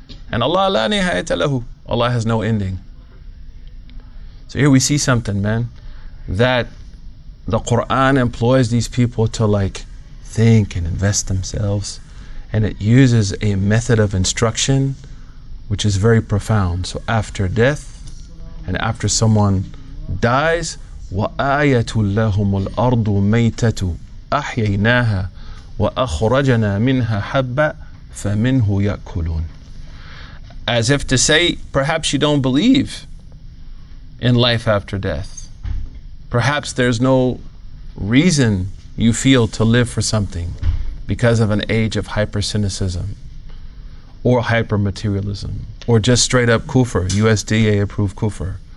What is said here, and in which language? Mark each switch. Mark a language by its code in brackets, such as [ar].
[en] And Allah [ar] la nihayata lahu. [en] Allah has no ending. So here we see something, man. That the Quran employs these people to like think and invest themselves, and it uses a method of instruction which is very profound. So after death and after someone dies, [ar] وَآيَةُ لَهُمُ الْأَرْضُ مَيْتَةُ أَحْيَيْنَاهَا وَأَخْرَجَنَا مِنْهَا حَبَّ فَمِنْهُ يَأْكُلُونَ. [en] As if to say, perhaps you don't believe in life after death. Perhaps there's no reason you feel to live for something because of an age of hyper-cynicism or hyper-materialism or just straight up kufr, USDA approved kufr.